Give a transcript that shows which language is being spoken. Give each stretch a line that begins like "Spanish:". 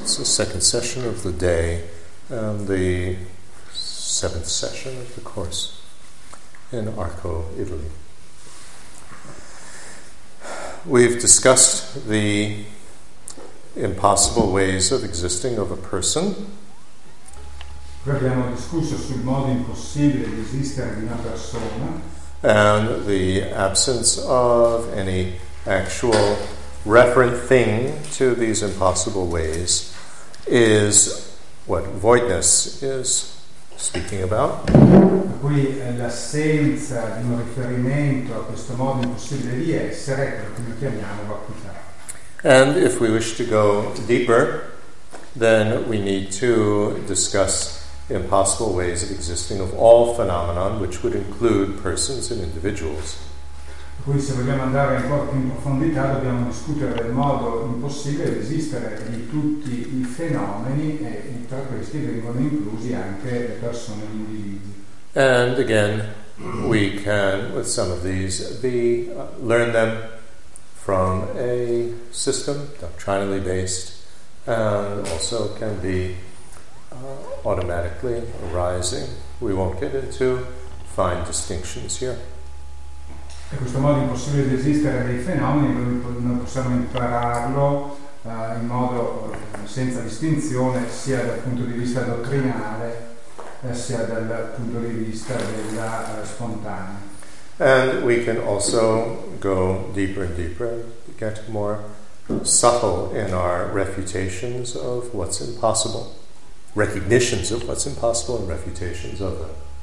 English: It's the second session of the day and the seventh session of the course in Arco, Italy. We've discussed the impossible ways of existing of a person.
Italian: Abbiamo discusso sul modo impossibile di esistere di una persona.
English: And the absence of any actual referent thing to these impossible ways is what voidness is speaking about.
Italian: Qui l'assenza di un riferimento a questo modo impossibile di essere è quello che noi chiamiamo vacuità.
English: And if we wish to go deeper, then we need to discuss impossible ways of existing of all phenomena, which would include persons and individuals.
Italian: Quindi se vogliamo andare ancora più in profondità, dobbiamo discutere del modo impossibile di esistere di tutti i fenomeni, e tra questi vengono inclusi anche le persone e gli individui.
English: And again, we can, with some of these, learn them from a system, doctrinally based, and also can be automatically arising. We won't get into fine distinctions here.
Italian: In questo modo impossibile di esistere dei fenomeni, noi non possiamo impararlo in modo senza distinzione, sia dal punto di vista dottrinale, sia dal punto di vista della spontanea.
English: And we can also go deeper and deeper, get more subtle in our refutations of what's impossible, recognitions of what's impossible and refutations of them.